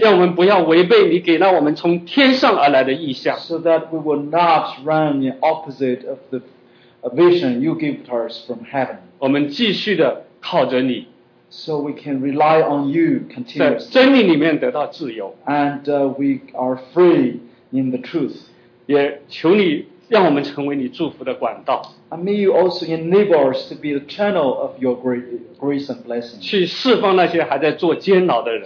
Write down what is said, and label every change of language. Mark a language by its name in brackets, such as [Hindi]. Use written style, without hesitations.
[Chinese] 让我们不要违背你给到我们从天上而来的意象。 [English] So that we will not run in opposite of the vision you gave to us from heaven. [Chinese] 我们继续地靠着你。 [English] So we can rely on you continuously. [Chinese] 在真理里面得到自由。 [English] And we are free in the truth. [Chinese] 也求你让我们成为你祝福的管道。 [English] And may you also enable us to be the channel of your grace and blessing. [Chinese] 去释放那些还在做监牢的人。